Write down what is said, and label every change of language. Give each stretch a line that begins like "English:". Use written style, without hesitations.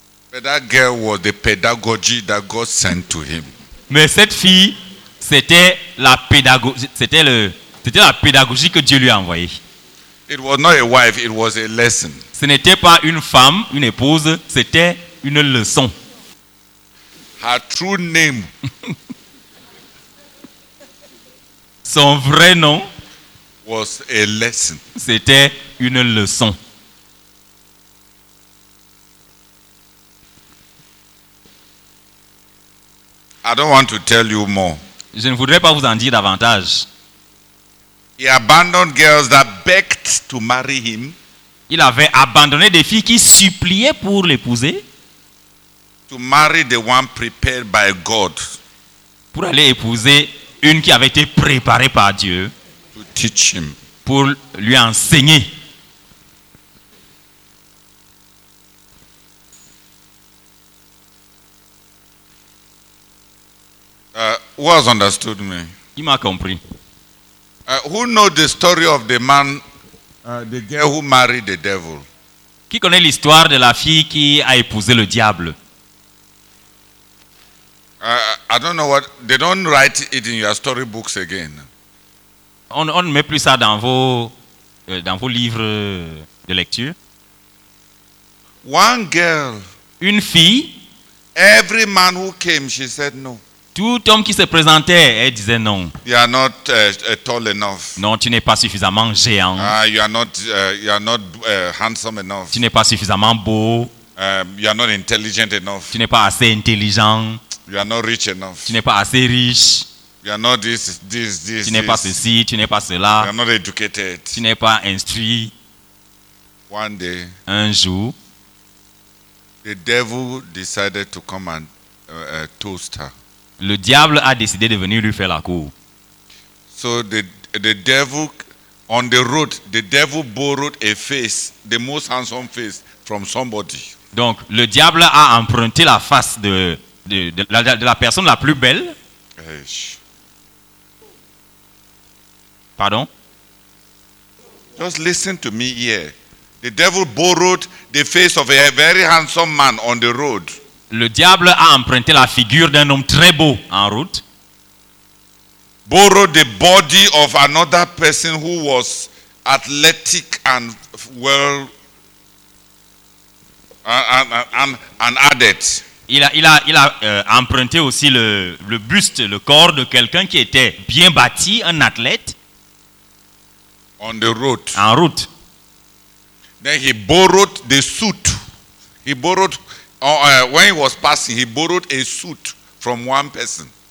English: But that girl was the pedagogy that God sent to him.
French: Mais cette fille, c'était la pédagogie que Dieu lui a envoyée.
English: It was not a wife, it was a lesson.
French: Ce n'était pas une femme, une épouse, c'était une leçon.
English: Her true name.
French: Son vrai nom
English: was a lesson.
French: C'était une leçon.
English: I don't want to tell you more.
French: Je ne voudrais pas vous en dire davantage.
English: He abandoned girls that begged to marry him.
French: Il avait abandonné des filles qui suppliaient pour l'épouser.
English: To marry the one prepared by God.
French: Pour aller épouser une qui avait été préparée par Dieu.
English: To teach him.
French: Pour lui enseigner.
English: Who has understood me?
French: Qui m'a compris?
English: Who knows the story of the man, the girl who married the devil?
French: Qui connaît l'histoire de la fille qui a épousé le diable?
English: I don't know what they don't write it in your storybooks again.
French: On ne met plus ça dans vos livres de lecture.
English: One girl,
French: une fille,
English: Every man who came, she said no.
French: Tout homme qui se présentait, elle disait non.
English: You are not tall enough.
French: Non, tu n'es pas suffisamment géant.
English: You are not handsome enough.
French: Tu n'es pas suffisamment beau.
English: You are not intelligent enough.
French: Tu n'es pas assez intelligent.
English: You are not rich enough.
French: Tu n'es pas assez riche.
English: You are not this.
French: Tu n'es pas ceci, tu n'es pas cela.
English: You are not educated.
French: Tu n'es pas instruit.
English: One day,
French: un jour,
English: the devil decided to come and toast her.
French: Le diable a décidé de venir lui faire la cour.
English: So the devil on the road, the devil borrowed a face, the most handsome face from somebody.
French: Donc le diable a emprunté la face de la personne la plus belle. Pardon?
English: Just listen to me here. The devil borrowed the face of a very handsome man on the road.
French: Le diable a emprunté la figure d'un homme très beau en route.
English: Borrowed the body of another person who was athletic and well and added.
French: Il a emprunté aussi le buste, le corps de quelqu'un qui était bien bâti, un athlète.
English: On the road.
French: En route.
English: Then he borrowed the suit. He borrowed when he was passing, he borrowed a suit from one person.